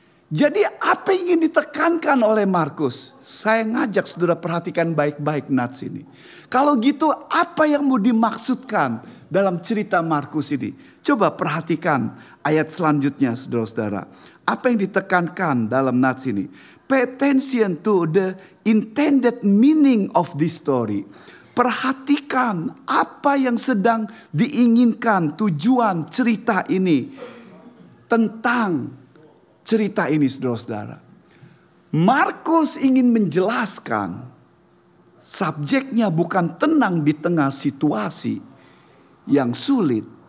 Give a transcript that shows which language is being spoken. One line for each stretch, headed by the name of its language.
Indonesian: Jadi apa yang ingin ditekankan oleh Markus? Saya ngajak saudara perhatikan baik-baik nats ini. Kalau gitu apa yang mau dimaksudkan dalam cerita Markus ini? Coba perhatikan ayat selanjutnya, saudara-saudara. Apa yang ditekankan dalam nats ini?
English: Pay attention to the intended meaning of this story.
Indonesian: Perhatikan apa yang sedang diinginkan, tujuan cerita ini. Tentang cerita ini, saudara-saudara. Markus ingin menjelaskan subjeknya bukan tenang di tengah situasi yang sulit.